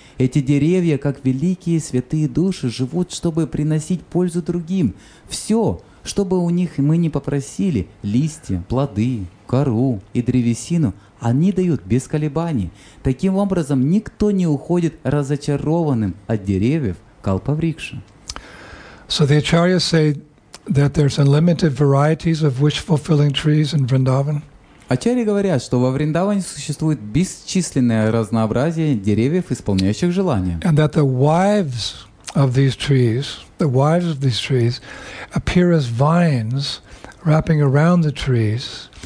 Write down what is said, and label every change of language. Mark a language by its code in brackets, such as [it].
[ru] Эти деревья, как великие святые души, живут, чтобы приносить пользу другим. Все, что бы у них мы ни попросили, листья, плоды, кору и древесину, они дают без колебаний. Таким образом, никто не уходит разочарованным от деревьев калпаврикши. [en] So the acharyas say that there's unlimited varieties of wish-fulfilling trees in Vrindavan. [ru] Ачарьи говорят, что во Вриндаване существует бесчисленное разнообразие деревьев, исполняющих желания. [en] And that the wives of these trees, appear as vines wrapping around the trees.